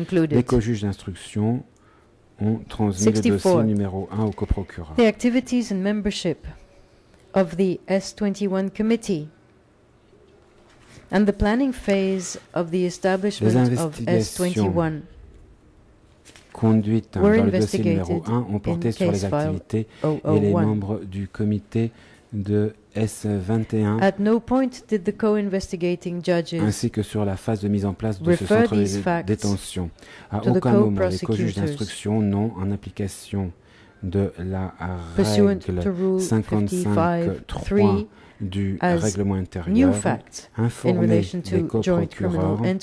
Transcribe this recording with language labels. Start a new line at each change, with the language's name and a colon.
French: les co-juges d'instruction ont transmis
English: 64.
French: Le dossier numéro 1 au co-procureur.
English: The activities and membership of the S21 committee and the planning phase of the establishment of S21
French: conduites dans le dossier numéro 1 ont porté sur les activités et les membres du comité de S21
English: At no point did the co-investigating judges
French: ainsi que sur la phase de mise en place de ce centre de détention. À aucun moment les co-juges d'instruction n'ont, en application de la règle 55.3 du règlement intérieur, informé les co-procureurs